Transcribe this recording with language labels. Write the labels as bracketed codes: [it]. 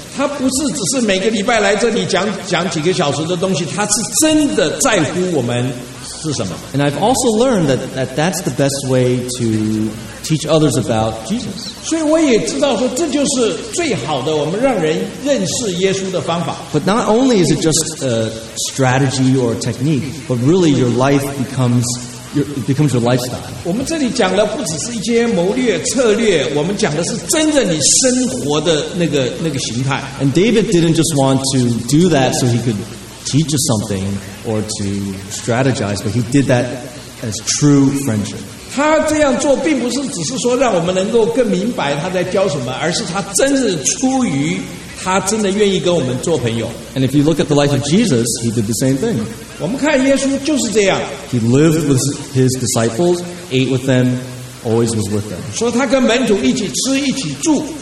[en] And I've also learned that that's the best way to teach others about Jesus. But not only is it just a strategy or a technique, but really your life becomes it becomes your lifestyle. [zh] 我们这里讲的不只是一些谋略策略，我们讲的是真正你生活的那个形态。 [en] And David didn't just want to do that so he could teach us something or to strategize, but he did that as true friendship. [zh] 他这样做并不是只是说让我们能够更明白他在教什么，而是他真是出于他真的愿意跟我们做朋友。 [en] And if you look at the life of Jesus, he did the same thing. [zh] 我们看耶稣就是这样。 [en] He lived with his disciples, ate with them, always was with them. [zh] 说他跟门徒一起吃一起住。